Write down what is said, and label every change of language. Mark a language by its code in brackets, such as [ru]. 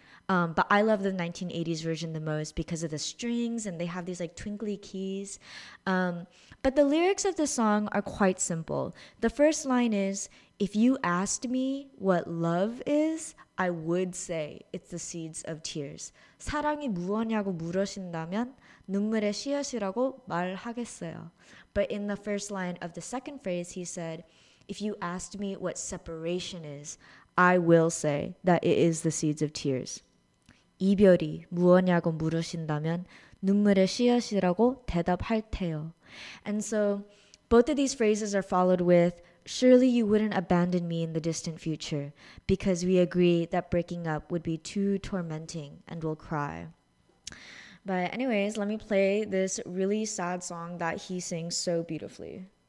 [en] But I love the 1980s version the most because of the strings and they have these like twinkly keys. But the lyrics of the song are quite simple. The first line is, if you asked me what love is, I would say it's the seeds of tears. [ko] 사랑이 무엇냐고 물으신다면 눈물의 씨앗이라고 말하겠어요. [en] But in the first line of the second phrase, he said, if you asked me what separation is, I will say that it is the seeds of tears. [ko] 이별이 무엇냐고 물으신다면 눈물의 씨앗이라고 대답할 테요. [en] And so both of these phrases are followed with, surely you wouldn't abandon me in the distant future because we agree that breaking up would be too tormenting and we'll cry. But anyways, let me play this really sad song that he sings so beautifully.